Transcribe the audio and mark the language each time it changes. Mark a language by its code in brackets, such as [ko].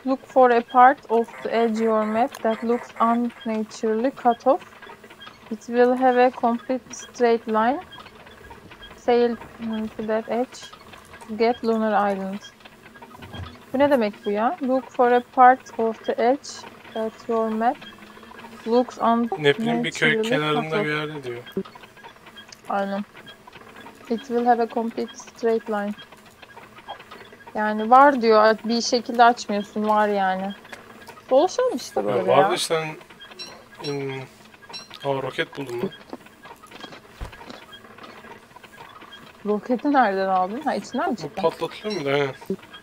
[en] Look for a part of the edge of your map that looks unnaturally cut off. It will have a complete straight line. Sail to that edge. Get lunar island. [tr] Bu ne demek bu ya? [en] Look for a part of the edge that your map looks unnaturally cut off. [tr] Ne bileyim, bir köy kenarında bir yerde diyor. Aynen. [en] It will have a complete straight line. [tr] Yani var diyor, bir şekilde açmıyorsun, var yani. Dolaşalım işte böyle ya. Vardı işte, sen... roket buldun mu? Roketi nereden aldın? Ha, içinden mi çıktın? Bu patlatılıyor muydu, he?